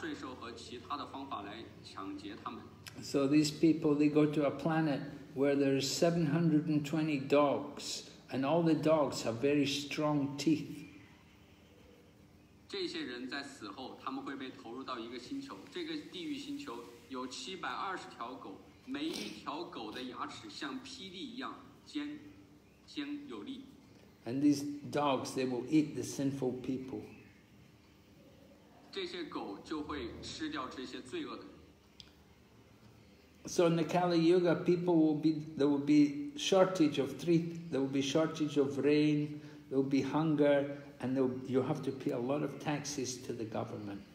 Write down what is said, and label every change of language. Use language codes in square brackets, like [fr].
[zh] 还有一些人，他们靠强迫这些商人交纳收入、交纳税收和其他的方法来抢劫他们。 [en] So these people, they go to a planet where there are 720 dogs, and all the dogs have very strong teeth. [zh] 这些人在死后，他们会被投入到一个星球。这个地狱星球有720条狗，每一条狗的牙齿像霹雳一样尖有力。 [en] And these dogs, they will eat the sinful people. [zh] 这些狗就会吃掉这些罪恶的。 [en] So in the Kali Yuga, people will be there will be shortage of three. There will be shortage of rain. There will be hunger. And you have to pay a lot of taxes to the government.